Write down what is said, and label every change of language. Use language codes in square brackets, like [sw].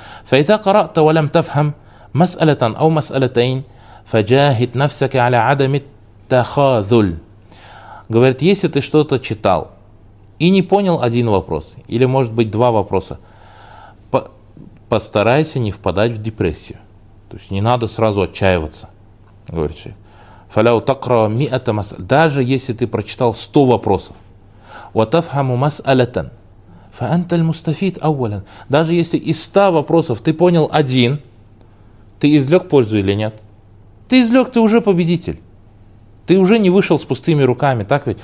[ar] فَإِذَا قَرَأْتَ وَلَمْ تَفْهَمْ مَسْأَلَةً أَوْ مَسْأَلَتَيْنْ فَجَاهِدْ نَفْسَكَ عَلَى عَدَمِ التَّخَاذُلِ. [ru] Говорит, если ты что-то читал и не понял один вопрос, или может быть два вопроса, постарайся не впадать в депрессию. То есть не надо сразу отчаиваться. Говорит, [ar] فَلَوْ تَقْرَوَ مِئَةَ مَسْأَلَةً. [ru] Даже если ты прочитал 100 вопросов, [ar] وَتَفْهَمُ مَسْأَلَةً فَأَنْتَ الْمُسْتَفِيدْ أَوَّلًا. [ru] Даже если из 100 вопросов ты понял один, ты извлек пользу или нет? Ты извлек, ты уже победитель. Ты уже не вышел с пустыми руками, так ведь?